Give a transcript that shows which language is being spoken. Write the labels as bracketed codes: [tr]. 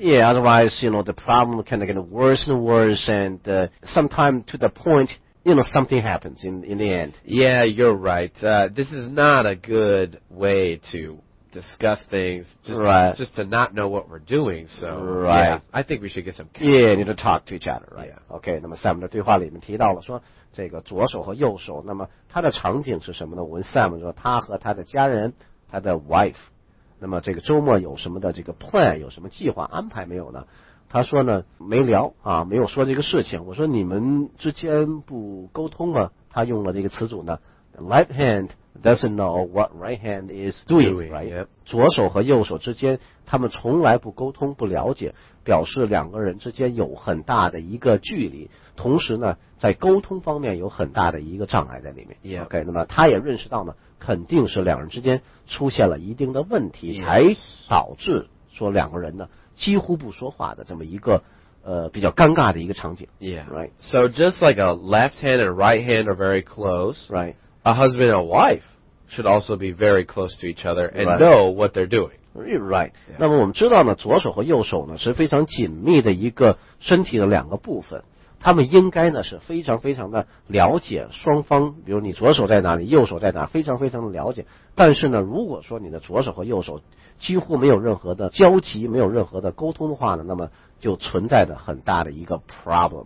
[en] Yeah, otherwise, you know, the problem kind of getting worse and worse, and sometime to the point, you know, something happens in the end. Yeah, you're right. This is not a good way to discuss things, just to not know what we're doing. So, right. Yeah, I think we should get some counseling. Yeah, need to talk to each other, right? Yeah. [zh] Okay, 那么 Sam 的对话里面提到了说这个左手和右手，那么他的场景是什么呢？我问 Sam 说，他和他的家人，他的 wife， 那么这个周末有什么的这个 plan， 有什么计划安排没有呢？他说呢，没聊啊，没有说这个事情。我说你们之间不沟通啊？他用了这个词组呢 ， [en] left hand doesn't know what right hand is doing，right？ [zh] 左手和右手之间，他们从来不沟通，不了解。表示两个人之间有很大的一个距离，同时呢在沟通方面有很大的一个障碍在里面。 [en] Yeah. [zh] Okay, 那么他也认识到呢，肯定是两人之间出现了一定的问题，才导致说两个人呢几乎不说话的这么一个比较尴尬的一个场景。 [en] Yeah. Right. So just like a left hand and right hand are very close, right? A husband and a wife should also be very close to each other and know what they're doing. Right. Yeah. [zh] 那么我们知道呢，左手和右手呢是非常紧密的一个身体的两个部分，他们应该呢是非常非常的了解双方，比如你左手在哪里，右手在哪，非常非常的了解。但是呢，如果说你的左手和右手几乎没有任何的交集，没有任何的沟通的话呢，那么就存在着很大的一个 problem、